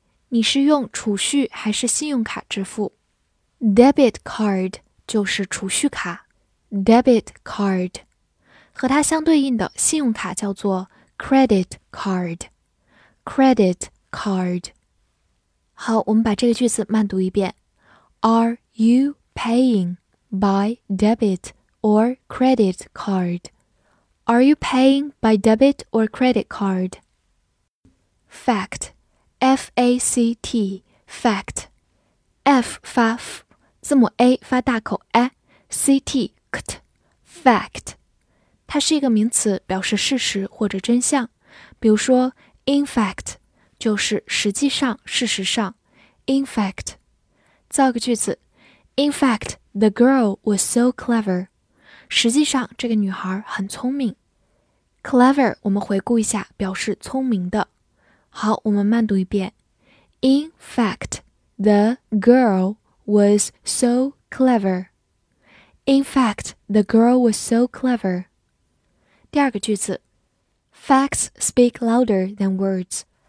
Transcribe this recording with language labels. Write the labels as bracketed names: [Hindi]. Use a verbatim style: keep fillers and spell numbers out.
[Chinese] 你是用储蓄还是信用卡支付？ Debit card 就是储蓄卡，debit card。和它相对应的信用卡叫做 credit card， credit card。好，我们把这个句子慢读一遍。 [English] Are you paying by debit or credit card? Are you paying by debit or credit card? Fact, F A C T, fact. [Chinese] F 发 f， 字母 A 发大口 a， C T fact。它是一个名词，表示事实或者真相。比如说 in fact 就是实际上、事实上 in fact。造个句子 [English] In fact, the girl was so clever. [Chinese] 实际上这个女孩很聪明。 Clever 我们回顾一下，表示聪明的。好，我们慢读一遍。 [English] In fact, the girl was so clever. In fact, the girl was so clever. [Chinese] 第二个句子 [English] Facts speak louder than words.